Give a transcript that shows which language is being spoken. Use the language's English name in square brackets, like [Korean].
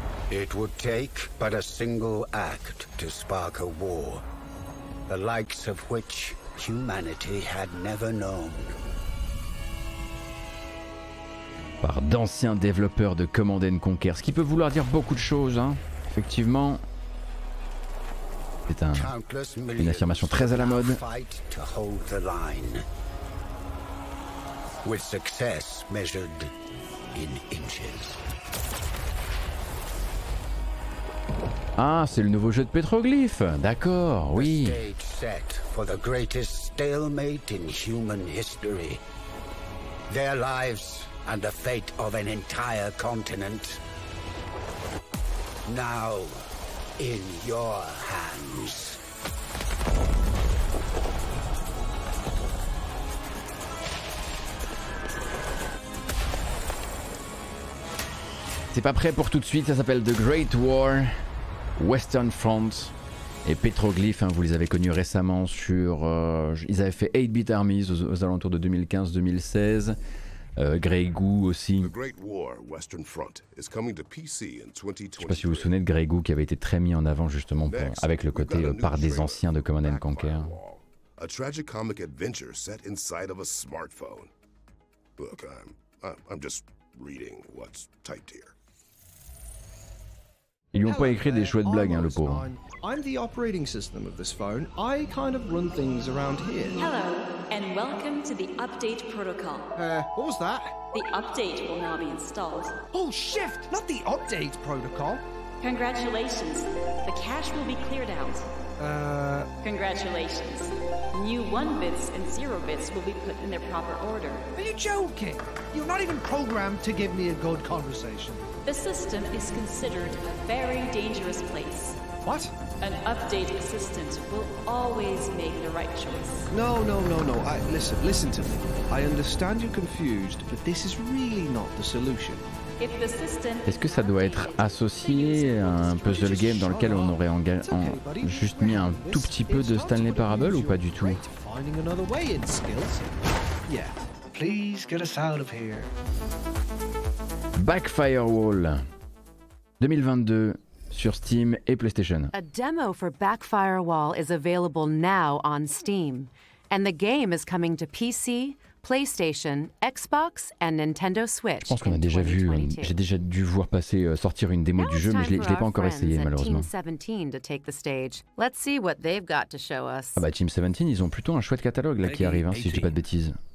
[English] It would take but a single act to spark a war, the likes of which humanity had never known. [French] Par d'anciens développeurs de Command & Conquer, ce qui peut vouloir dire beaucoup de choses, hein. Effectivement, c'est une affirmation très à la mode. [English] Fight to hold the line, with success measured in inches. [French] Ah, c'est le nouveau jeu de pétroglyphes, d'accord, oui. [English] The stage set for the greatest stalemate in human history. Their lives and the fate of an entire continent. Now, in your hands. [French] C'est pas prêt pour tout de suite, ça s'appelle The Great War, Western Front et Petroglyph, hein, vous les avez connus récemment sur... ils avaient fait 8-bit armies aux alentours de 2015-2016. Grey Goo aussi. [English] The Great War, Western Front, is coming to PC in 2023. [French] Je sais pas si vous vous souvenez de Grey Goo qui avait été très mis en avant justement pour, [English] Next, [French] avec le côté par des anciens de Command & Conquer. [English] A tragicomic adventure set inside of a smartphone. Look, I'm just reading what's typed here. [French] Ils lui ont pas écrit des chouettes blagues, hein, le pauvre. [English] I'm the operating system of this phone. I kind of run things around here. Hello, and welcome to the update protocol. What was that? The update will now be installed. Oh, shift! Not the update protocol! Congratulations. The cache will be cleared out. Congratulations. New 1-bits and 0-bits will be put in their proper order. Are you joking? You're not even programmed to give me a good conversation. The system is considered a very dangerous place. What? An update assistant will always make the right choice. No. Listen to me. I understand you're confused, but this is really not the solution. If the system... [French] Est-ce que ça doit être associé à un puzzle game dans lequel on aurait juste mis un tout petit peu de Stanley Parable ou pas du tout? [English] Finding another way in skills. Yeah. Please get us out of here. Back Firewall 2022, [French] sur Steam et PlayStation. [English] A demo for Back Firewall is available now on Steam. And the game is coming to PC, PlayStation, Xbox and Nintendo Switch. [French] Je pense qu'on a déjà vu, j'ai déjà dû voir passer sortir une démo du jeu, mais je l'ai pas encore essayé malheureusement. [English] Let's see what they've got to show us. [French] Ah bah Team 17, ils ont plutôt un chouette catalogue là qui arrive, hein, si je dis pas de bêtises.